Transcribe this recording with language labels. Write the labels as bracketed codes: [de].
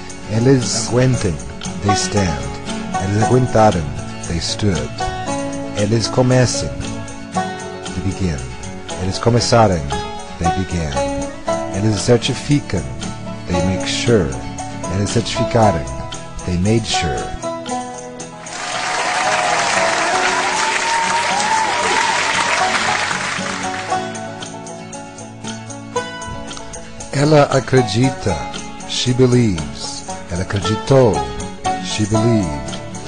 [pt] Eles aguentam, [en] they stand. [pt] Eles aguentaram, [en] they stood. [pt] Eles começam, [en] they begin. [pt] Eles começaram, [en] they began. [pt] Eles certificam, [en] they make sure. [pt] Eles certificaram, [en] they made sure. [pt] Ela acredita, [en] she believes. [pt] Ela acreditou, [en] she believed.